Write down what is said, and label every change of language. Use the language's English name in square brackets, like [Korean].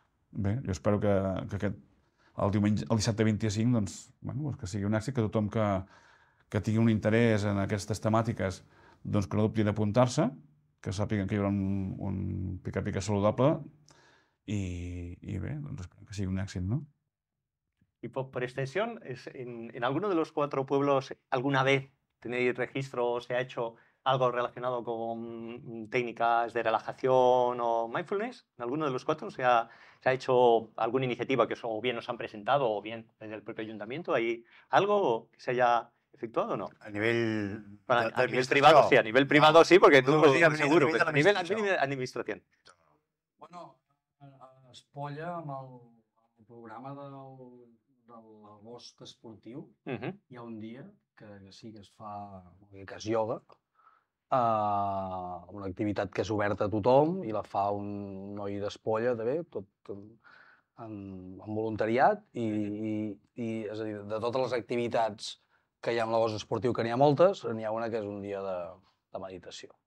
[Catalan] Bé, jo espero que aquest, el diumenge, el dissabte 25, doncs, bueno, que sigui un èxit, que tothom que tingui un interès en aquestes temàtiques, doncs que no dubti d'apuntar-se, que sàpiguen que hi haurà un pica-pica saludable, i bé, doncs espero que sigui un èxit, no? I per extensió, en algun dels 4 pobles alguna vegada [Spanish] ¿tenéis registro o se ha hecho algo relacionado con técnicas de relajación o mindfulness? ¿En alguno de los 4 se ha hecho alguna iniciativa que o bien nos han presentado o bien desde el propio ayuntamiento? ¿Hay algo que se haya efectuado o no? [Catalan] A nivell... Bueno, a nivell privado, sí, a nivell privado sí, perquè tu pots dir amb seguro. A nivell d'administració. Bueno, espolla amb el programa de l'agost esportiu. Hi ha un dia que sí que es fa, que és ioga, una activitat que és oberta a tothom i la fa un noi d'Espolla, també, tot amb voluntariat, i és a dir, de totes les activitats que hi ha en l'agost esportiu, que n'hi ha moltes, n'hi ha una que és un dia de meditació.